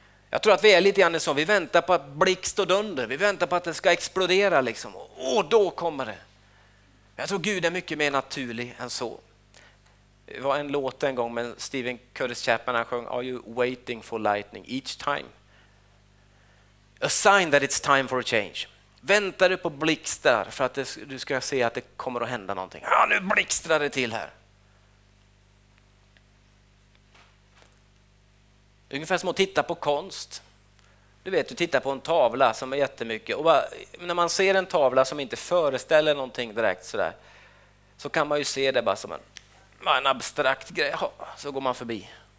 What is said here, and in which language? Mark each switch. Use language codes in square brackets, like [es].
[sv] Jag tror att vi är lite grann som, vi väntar på att blixt och dunder. Vi väntar på att det ska explodera liksom. Och då kommer det. Jag tror Gud är mycket mer naturlig än så. Det var en låt en gång med Stephen Curtis Chapman. Han sjöng [en] "Are you waiting for lightning each time? A sign that it's time for a change." [sv] Väntar du på blixtar för att du ska se att det kommer att hända någonting? Ja, nu blixtrar det till här. Ungefär som att titta på konst. Du vet, du tittar på en tavla som är jättemycket. Och bara, när man ser en tavla som inte föreställer någonting direkt så där, så kan man ju se det bara som en abstrakt grej. Så går man förbi.